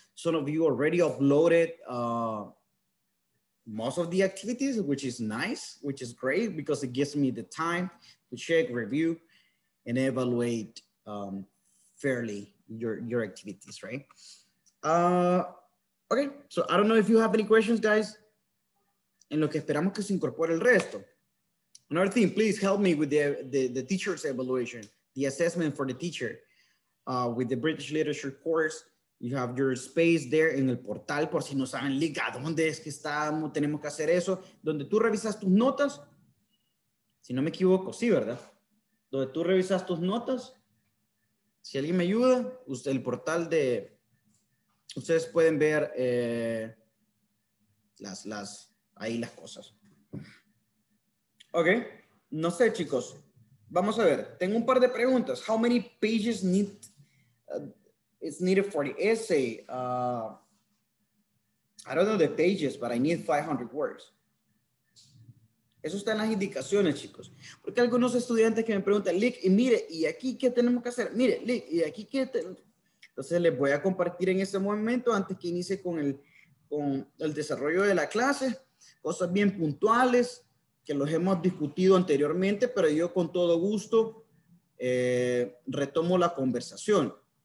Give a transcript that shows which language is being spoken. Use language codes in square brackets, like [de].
[en] Some of you already uploaded most of the activities, which is nice, which is great because it gives me the time to check, review, and evaluate fairly your activities, right? Okay, so I don't know if you have any questions, guys. [es] En lo que esperamos que se incorpore el resto. [en] Another thing, please help me with the teacher's evaluation, the assessment for the teacher with the British Literature course. You have your space there in [es] el portal, por si no saben, liga, ¿dónde es que estamos? Tenemos que hacer eso. Donde tú revisas tus notas, si no me equivoco, sí, ¿verdad? Donde tú revisas tus notas, si alguien me ayuda, usted, el portal de, ustedes pueden ver las ahí las cosas. Okay, no sé, chicos. Vamos a ver. Tengo un par de preguntas. [en] How many pages is needed for the essay? I don't know the pages, but I need 500 words. [es] Eso está en las indicaciones, chicos. Porque algunos estudiantes que me preguntan, Lick, y mire, ¿y aquí qué tenemos que hacer? Mire, Lick, ¿y aquí qué tenemos? Entonces les voy a compartir en este momento antes que inicie con el desarrollo de la clase. Cosas bien puntuales que los hemos discutido anteriormente, pero yo con todo gusto retomo la conversación.